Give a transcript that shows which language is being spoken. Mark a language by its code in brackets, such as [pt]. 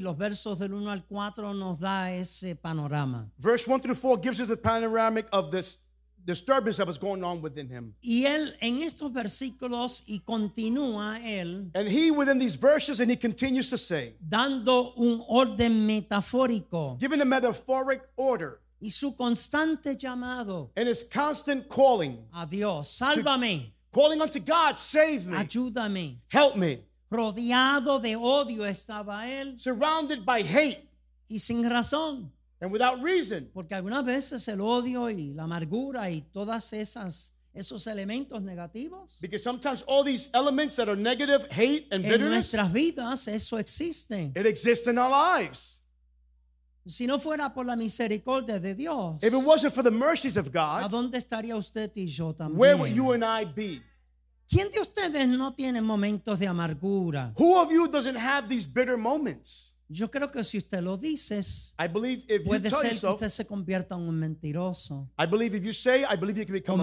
[es] Los versos del 1 al 4 nos da ese panorama. [en] Verse 1 through 4 gives us the panoramic of this disturbance that was going on within him. [es] Y él, en estos versículos, y continúa él, [en] and he within these verses, and he continues to say, [es] dando un orden metafórico, [en] giving a metaphoric order, [es] y su constante llamado, [en] and his constant calling, [es] a Dios, sálvame, [en] calling unto God, save me, [es] ayúdame, [en] help me. [es] Rodeado de odio estaba él, [en] surrounded by hate, [es] y sin razón. [en] And without reason. [es] Porque algunas veces el odio y la amargura y todas esas esos elementos negativos. [en] Because sometimes all these elements that are negative, hate and bitterness. [es] En nuestras vidas eso existe. [en] It exists in our lives. [es] Si no fuera por la misericordia de Dios. [en] If it wasn't for the mercies of God. [es] ¿A dónde estaría usted y yo también? [en] Where would you and I be? [es] ¿Quién de ustedes no tiene momentos de amargura? [en] Who of you doesn't have these bitter moments? [es] Yo creo que si usted lo dices, [en] I believe if [es] puede [en] you tell [es] ser [en] yourself, [es] que usted se convierta en un mentiroso. [en] I believe if you say, I believe you can become